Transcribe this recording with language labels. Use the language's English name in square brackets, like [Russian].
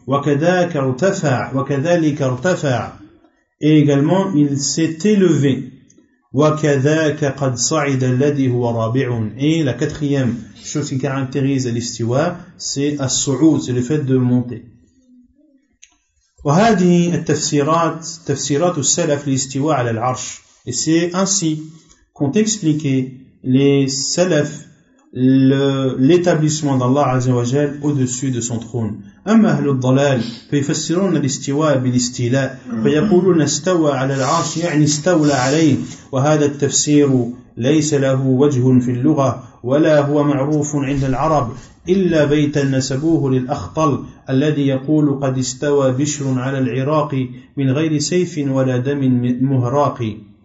[Arabic] Wa kadhalika irtafa, wa kadhalika irtafa, [French] et également il s'est élevé. [Arabic] Wa kadhaka qad sa'ida alladhi huwa rabi'un, [French] et la quatrième chose qui caractérise l'istiwa, c'est as-su'ud, c'est le fait de monter. [Arabic] وهذه التفسيرات تفسيرات السلف للاستواء على العرش. [French] Et c'est ainsi qu'ont expliqué les salaf l'établissement d'Allah Azza wa Jal au-dessus de son trône. [Arabic] أما أهل الضلال فيفسرون الاستواء بالاستيلاء فيقولون استوى على العرش يعني استولى عليه وهذا التفسير ليس له وجه في اللغة ولا هو معروف عند العرب إلا بيتا نسبوه للأخطل الذي يقول قد استوى بشر على العراق من غير سيف ولا دم مهراق